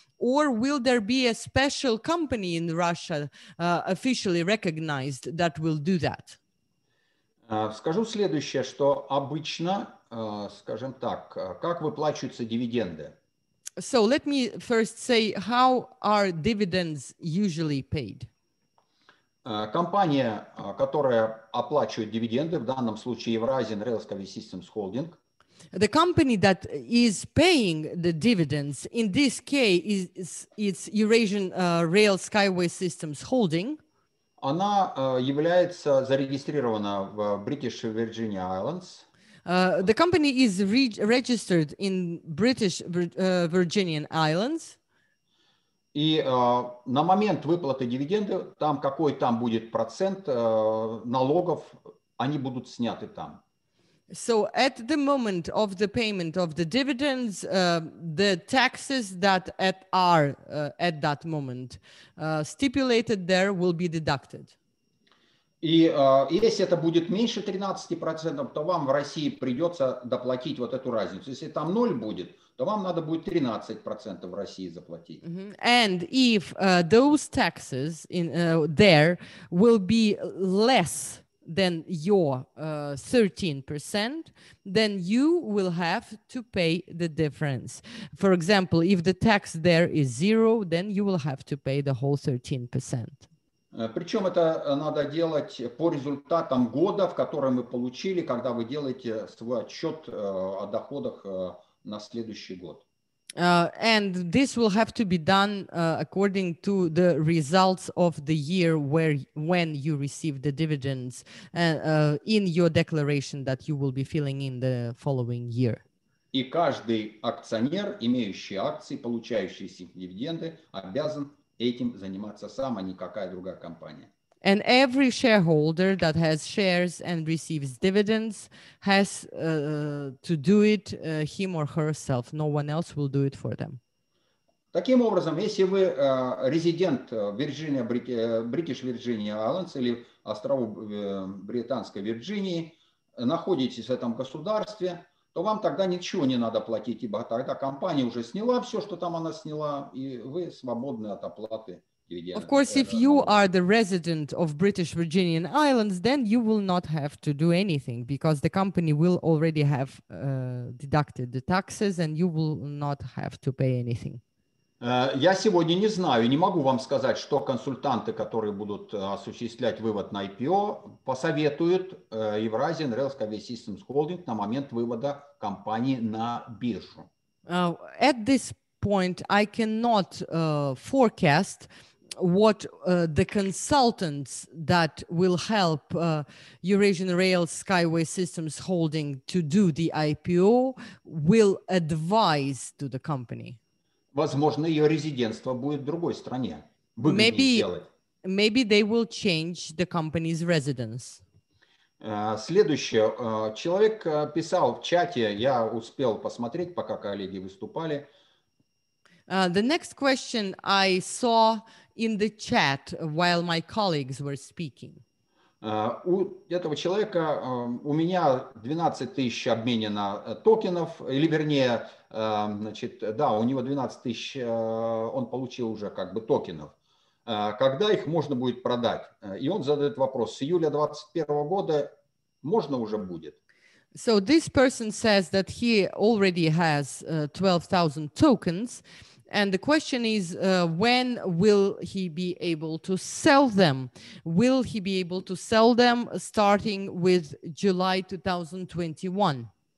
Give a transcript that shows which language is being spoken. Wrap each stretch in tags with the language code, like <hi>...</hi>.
<en>Or will there be a special company in Russia officially recognized that will do that?</en> <ru>Скажу следующее, что обычно, скажем так, как выплачиваются дивиденды?</ru> <en>So let me first say, how are dividends usually paid?</en> <ru>Компания, которая оплачивает дивиденды, в данном случае Eurasian Railway Systems Holding.</ru> <en>The company that is paying the dividends, in this case, it's Eurasian Rail Skyway Systems Holding.</en> <ru>Она является зарегистрирована в British Virgin Islands.</ru> <en>The company is registered in British Virgin Islands.</en> <ru>И на момент выплаты дивиденда, там какой там будет процент налогов, они будут сняты там.</ru> <en>So at the moment of the payment of the dividends, the taxes that are at that moment stipulated there will be deducted.</en> <ru>И если это будет меньше 13%, то вам в России придется доплатить вот эту разницу. Если там ноль будет, то вам надо будет 13% в России заплатить. Mm-hmm.</ru> <en>And if those taxes in there will be less than your 13%, then you will have to pay the difference. For example, if the tax there is zero, then you will have to pay the whole 13%.</en> <ru>Причем это надо делать по результатам года, в котором вы получили, когда вы делаете свой отчет о доходах на следующий год.</ru> <en>And this will have to be done according to the results of the year where when you receive the dividends in your declaration that you will be filling in the following year.</en> <ru>И каждый акционер, имеющий акции, получающий дивиденды, обязан этим заниматься сам, а не какая другая компания.</ru> <en>And every shareholder that has shares and receives dividends has to do it him or herself. No one else will do it for them.</en> <ru>Таким образом, если вы резидент Вирджиния, British Virgin Islands или островов Британской Вирджинии, находитесь в этом государстве, то вам тогда ничего не надо платить, ибо тогда компания уже сняла все, что там она сняла, и вы свободны от оплаты.</ru> <en>Of course, if you are the resident of British Virginian Islands, then you will not have to do anything because the company will already have deducted the taxes and you will not have to pay anything.</en> <ru>Я сегодня не знаю, не могу вам сказать, что консультанты, которые будут осуществлять вывод на IPO, посоветуют Eurasian Rails Conveyor Systems Holding на момент вывода компании на биржу.</ru> <en>At this point, I cannot forecast what the consultants that will help Eurasian Rail Skyway Systems Holding to do the IPO will advise to the company.</en> <ru>Возможно, ее резидентство будет в другой стране. Выгоднее</ru> <en>maybe,</en> <ru>сделать.</ru> <en>Maybe they will change the company's residence.</en> <ru>Следующее. Человек писал в чате, я успел посмотреть, пока коллеги выступали.</ru> <en>The next question I saw in the chat while my colleagues were speaking.</en> <ru>У этого человека у меня 12 тысяч обменено токенов, или вернее, значит, да, у него 12 тысяч, он получил уже как бы токенов. Когда их можно будет продать? И он задает вопрос, с июля 2021 года можно уже будет?</ru> <en>So this person says that he already has 12,000 tokens. And the question is, when will he be able to sell them? Will he be able to sell them starting with July 2021?</en>